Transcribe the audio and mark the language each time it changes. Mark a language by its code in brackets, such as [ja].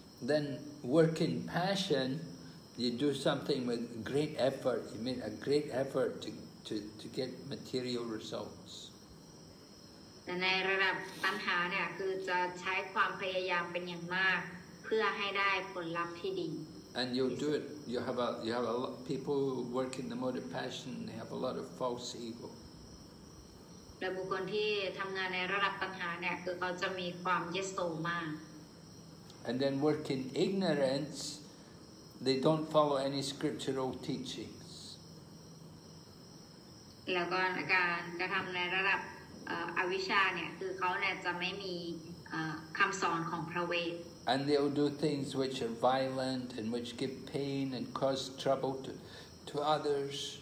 [en] Then work in passion, you do something with great effort, you make a great effort to get material results. [th] แต่ในระดับตัณหาเนี่ยคือจะใช้ความพยายามเป็นอย่างมากเพื่อให้ได้ผลลัพธ์ที่ดี [en] And you'll do it. You have a lot of people who work in the mode of passion. They have a lot of false ego. The [th] บุคคลที่ทำงานในระดับปัญหาเนี่ยคือเขาจะมีความยึดโสมาก [en] And then work in ignorance. They don't follow any scriptural teachings. [th] แล้วก็การกระทำในระดับอวิชชาเนี่ยคือเขาเนี่ยจะไม่มีคำสอนของพระเวท [en] And they'll do things which are violent and which give pain and cause trouble to others.